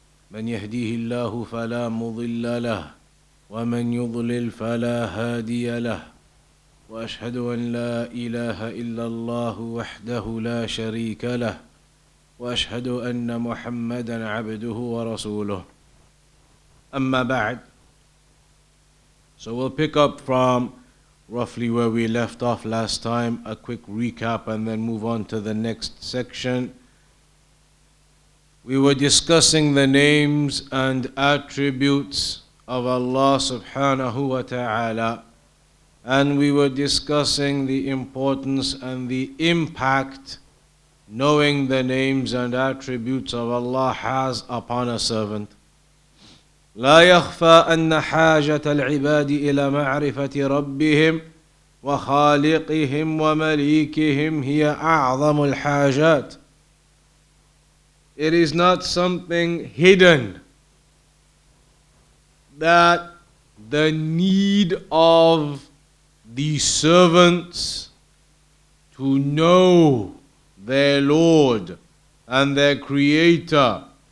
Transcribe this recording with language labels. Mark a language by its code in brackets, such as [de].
[ar] من يهديه الله فلا مضل له، ومن يضلل فلا هادي له. وأشهد أن لا إله إلا الله وحده لا شريك له، وأشهد أن محمدا عبده ورسوله. أما بعد، [en] so we'll pick up from roughly where we left off last time, a quick recap, and then move on to the next section. We were discussing the names and attributes of Allah subhanahu wa ta'ala, and we were discussing the importance and the impact knowing the names and attributes of Allah has upon a servant. [ar] لا يخفى أن حاجة العباد إلى معرفة ربهم وخالقهم ومليكهم هي أعظم الحاجات. [en] It is not something hidden that the need of the servants to know their Lord and their Creator